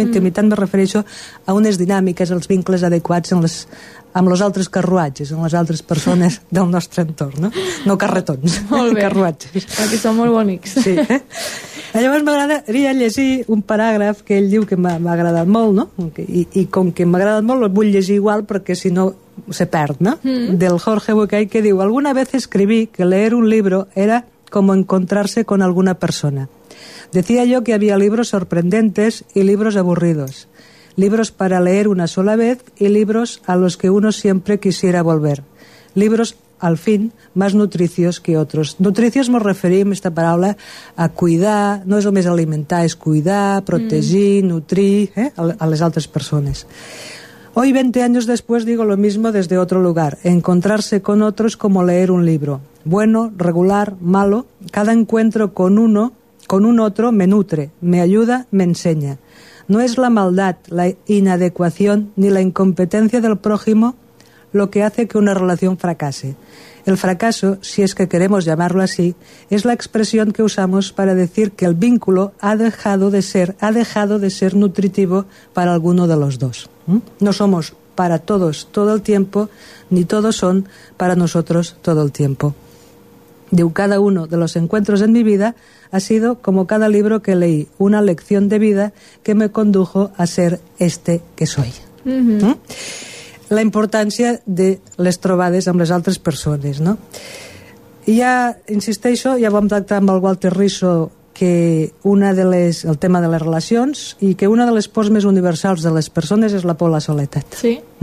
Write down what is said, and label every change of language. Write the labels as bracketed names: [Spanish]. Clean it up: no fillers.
[Catalan] Intimitat me refereixo a unes dinàmiques, els vincles adequats amb els altres carruatges, amb les altres persones del nostre entorn, no? No carretons, carruatges. Aquí són molt bonics. Sí, Llavors m'agradaria llegir un paràgraf que ell diu que m'ha agradat molt, no? I com que m'ha agradat molt, el vull llegir igual perquè si no se perd, no? Del Jorge Bucay, que diu: [Spanish] alguna vez escribí que leer un libro era como encontrarse con alguna persona. Decía yo que había libros sorprendentes y libros aburridos. Libros para leer una sola vez y libros a los que uno siempre quisiera volver. Libros, al fin, más nutricios que otros. [Catalan] Nutricios nos referim, esta paraula, a cuidar, no és només alimentar, és cuidar, protegir, nutrir, a les altres persones. [Spanish] Hoy, 20 años después, digo lo mismo desde otro lugar. Encontrarse con otro es como leer un libro. Bueno, regular, malo, cada encuentro con un otro me nutre, me ayuda, me enseña. No es la maldad, la inadecuación ni la incompetencia del prójimo lo que hace que una relación fracase. El fracaso, si es que queremos llamarlo así, es la expresión que usamos para decir que el vínculo ha dejado de ser nutritivo para alguno de los dos. No somos para todos todo el tiempo, ni todos son para nosotros todo el tiempo. De cada uno de los encuentros en mi vida ha sido como cada libro que leí, una lección de vida que me condujo a ser este que soy. [Catalan] La importància de les trobades amb les altres persones, no? I ja, insisteixo, ja vam tractar amb el Walter Riso que una de les, el tema de les relacions, i que una de les pors més universals de les persones és la por a la soledat. Sí.